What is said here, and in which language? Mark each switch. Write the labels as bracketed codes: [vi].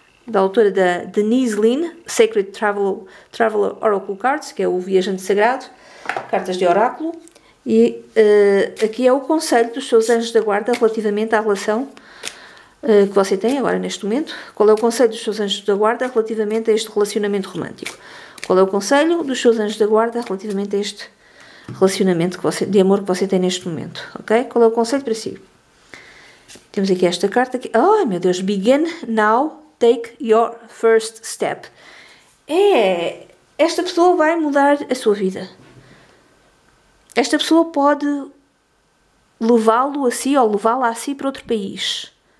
[pt] da autora da Denise Lynn, Sacred Traveler Oracle Cards, que é o Viajante Sagrado, Cartas de Oráculo, e aqui é o conselho dos seus anjos da guarda relativamente à relação que você tem agora neste momento. Qual é o conselho dos seus anjos da guarda relativamente a este relacionamento romântico? Qual é o conselho dos seus anjos da guarda relativamente a este relacionamento que você, de amor que você tem neste momento? Ok? Qual é o conselho para si? Temos aqui esta carta aqui. Oh, meu Deus! [en] Begin now, take your first step. [pt] É, esta pessoa vai mudar a sua vida. Esta pessoa pode levá-lo a si ou levá-la a si para outro país.